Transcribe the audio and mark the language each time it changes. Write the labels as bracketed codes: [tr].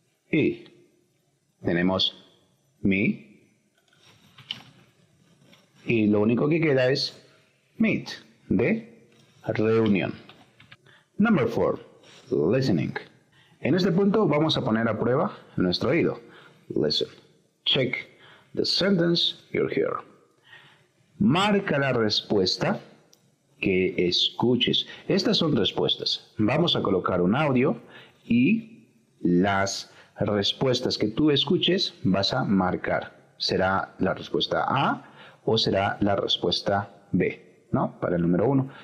[es] Y tenemos me. Y lo único que queda es meet, de reunión. [en] Number 4, listening. [es] En este punto vamos a poner a prueba nuestro oído. [en] Listen. Check the sentence you hear. [es] Marca la respuesta que escuches. Estas son respuestas. Vamos a colocar un audio y las respuestas que tú escuches vas a marcar. ¿Será la respuesta A o será la respuesta B? ¿No? Para el número 1.